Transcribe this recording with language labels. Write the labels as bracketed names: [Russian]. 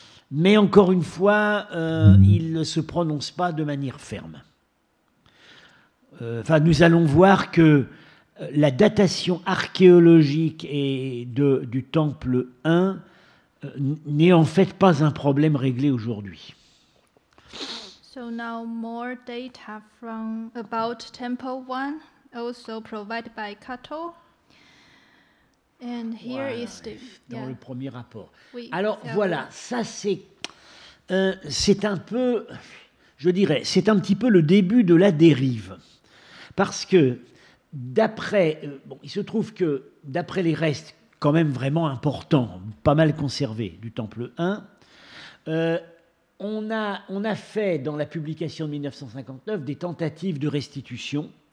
[French] Mais encore une fois, il ne se prononce pas de manière ferme. Nous allons voir que la datation archéologique du temple 1 n'est en fait pas un problème réglé aujourd'hui. [English] So now more data from about Temple 1, also provided by Kato. And here is the... [French] Dans le premier rapport. Oui, alors voilà, ça c'est un peu, je dirais, c'est un petit peu le début de la dérive. Parce que il se trouve que d'après les restes quand même vraiment importants, pas mal conservés du Temple 1, on a fait dans la publication de 1959 des tentatives de restitution.